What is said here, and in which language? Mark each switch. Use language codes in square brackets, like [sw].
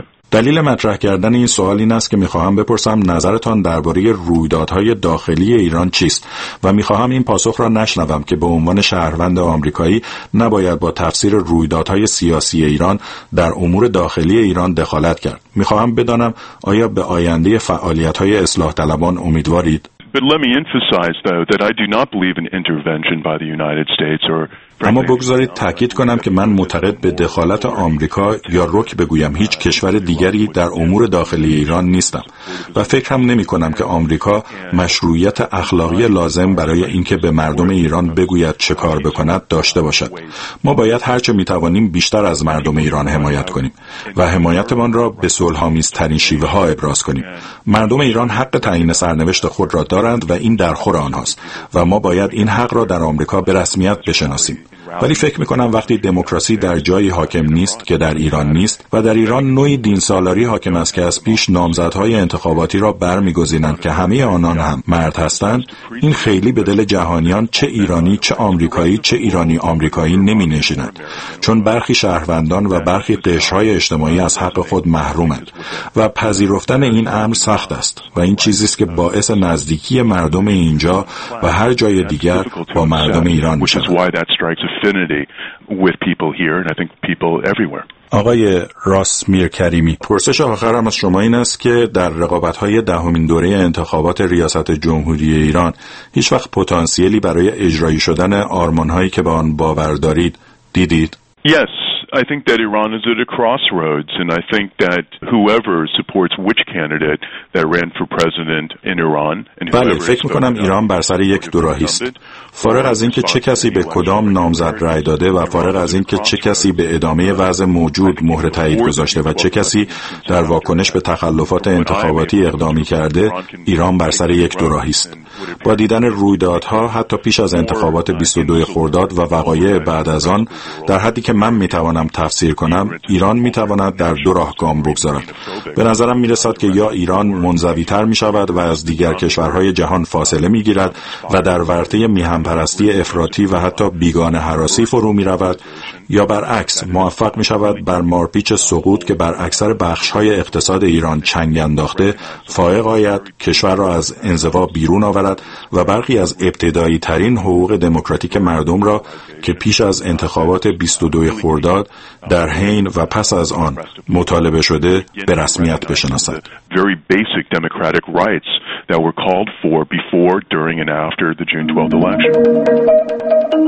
[fa] دلیل مطرح کردن این سوال این است که می‌خواهم بپرسم نظرتان درباره رویدادهای داخلی ایران چیست، و می‌خواهم این پاسخ را نشنوم که به عنوان شهروند آمریکایی نباید با تفسیر رویدادهای سیاسی ایران در امور داخلی ایران دخالت کرد. می‌خواهم بدانم آیا به آینده فعالیت‌های اصلاح طلبان امیدوارید؟ [en] But let me emphasize though that I do not believe in intervention by the United States or [fa] اما بگذارید تاکید کنم که من معتقد به دخالت آمریکا یا رک بگویم هیچ کشور دیگری در امور داخلی ایران نیستم، و فکرم نمی کنم که آمریکا مشروعیت اخلاقی لازم برای اینکه به مردم ایران بگوید چه کار بکند داشته باشد. ما باید هرچه می توانیم بیشتر از مردم ایران حمایت کنیم و حمایتمان را به صلح‌آمیزترین شیوه ها ابراز کنیم. مردم ایران حق تعیین سرنوشت خود را دارند و این درخور آنهاست، و ما باید این حق را در آمریکا به رسمیت بشناسیم. ولی فکر میکنم وقتی دموکراسی در جایی حاکم نیست که در ایران نیست، و در ایران نوعی دینسالاری حاکم است که از پیش نامزدهای انتخاباتی را برمیگزینند که همه آنان هم مرد هستند، این خیلی به دل جهانیان، چه ایرانی چه آمریکایی چه ایرانی آمریکایی، نمینشیند، چون برخی شهروندان و برخی قشرهای اجتماعی از حق خود محرومند و پذیرفتن این امر سخت است، و این چیزی است که باعث نزدیکی مردم اینجا و هر جای دیگر با مردم ایران میشود. [en] Affinity with people here, and I think people everywhere. [fa] آقای راس میر کریمی، پرسش آخرم از شما این است که در رقابت‌های دهمین دوره انتخابات ریاست جمهوری ایران هیچ وقت پتانسیلی برای اجرایی شدن آرمان‌هایی که به آن باور دارید دیدید؟ [en] Yes, I think that Iran is at a crossroads, and I think that whoever supports which candidate that ran for president in Iran and [fa] بله، فکر می‌کنم ایران بر سر یک دوراهی است. فارغ از اینکه چه کسی به کدام نامزد رأی داده و فارغ از اینکه چه کسی به ادامه وضع موجود مهر تایید گذاشته و چه کسی در واکنش به تخلفات انتخاباتی اقدامی کرده، ایران بر سر یک دوراهی است. با دیدن رویدادها حتی پیش از انتخابات 22 خرداد و وقایع بعد از آن، در حدی که من میتوانم تفسیر کنم، ایران میتواند در دو راه گام بگذارد. به نظرم میرسد که یا ایران منزوی تر میشود و از دیگر کشورهای جهان فاصله میگیرد و در ورطه میهن‌پرستی افراطی و حتی بیگانه حراسی فرو میرود، یا برعکس موفق میشود بر مارپیچ سقوط که بر اکثر بخش‌های اقتصاد ایران چنگ انداخته فائق آید، کشور را از انزوا بیرون آورد و برخی از ابتدایی ترین حقوق دموکراتیک مردم را که پیش از انتخابات 22 خرداد در حین و پس از آن مطالبه شده به رسمیت بشناسد. [en] Very basic democratic rights that were called for before, during and after the June 12th election.